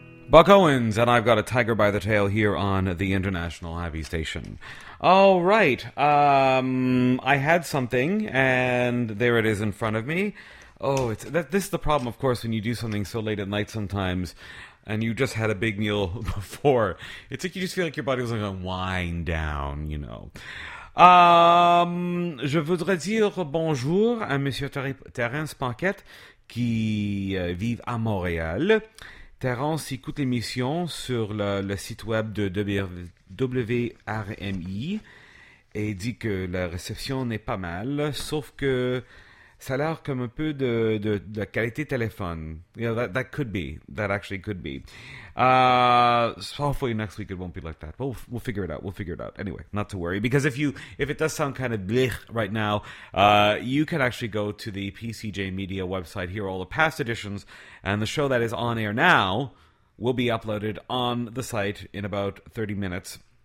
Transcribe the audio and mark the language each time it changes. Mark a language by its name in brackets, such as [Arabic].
[English] Buck Owens and I've Got a Tiger by the Tail here on the International Ivy Station. All right. I had something and there it is in front of me. Oh, this is the problem, of course, when you do something so late at night sometimes and you just had a big meal before. It's like you just feel like your body was going to wind down, you know. [French] Je voudrais dire bonjour à Monsieur Terence Paquette qui vive à Montréal. Terence écoute l'émission sur le site web de WRMI et dit que la réception n'est pas mal, sauf que ça a l'air comme un peu de qualité téléphone. [English] You know, that could be. That actually could be. Hopefully next week it won't be like that. But we'll figure it out. We'll figure it out. Anyway, not to worry. Because if it does sound kind of bleh right now, you can actually go to the PCJ Media website, hear all the past editions, and the show that is on air now will be uploaded on the site in about 30 minutes.